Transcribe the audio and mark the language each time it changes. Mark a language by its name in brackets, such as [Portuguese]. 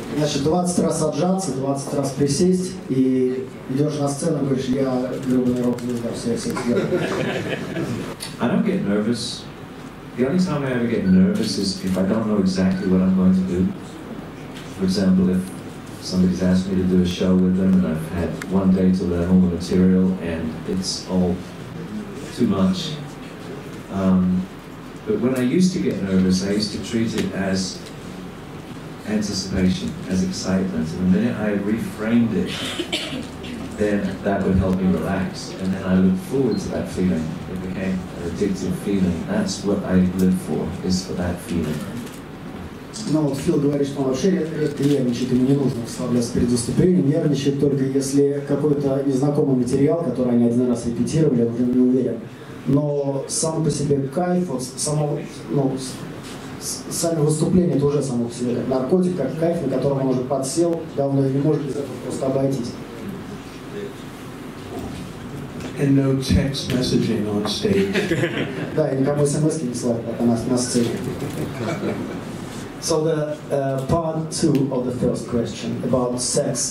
[Russian] Значит, 20 раз отжаться, 20 раз присесть, и идешь на сцену, говоришь, я грубый рок-звезда, все я себе сделаю. [English] I don't get nervous. The only time I ever get nervous is if I don't know exactly what I'm going to do. For example, if somebody's asked me to do a show with them and I've had one day to learn all the material and it's all too much. But when I used to get nervous, I used to treat it as anticipation, as excitement. And the minute I reframed it, then that would help me relax. And then I looked forward to that feeling. It became an addictive feeling. That's what I live for, is for that feeling. [Russian] Ну, вот Фил говорит, что он вообще нервничает, ему не нужно расслабляться перед выступлением, нервничает только если какой-то незнакомый материал, который они один раз репетировали, он уже не уверен. Но сам по себе кайф, вот само, ну, сами выступления, это уже само по себе как наркотик, как кайф, на котором он уже подсел, давно не может без этого просто обойтись. [English] And no text messaging on stage. [Russian] Да, и никакой смс-ки не слать, пока на сцене. [English] So the part two of the first question about sex.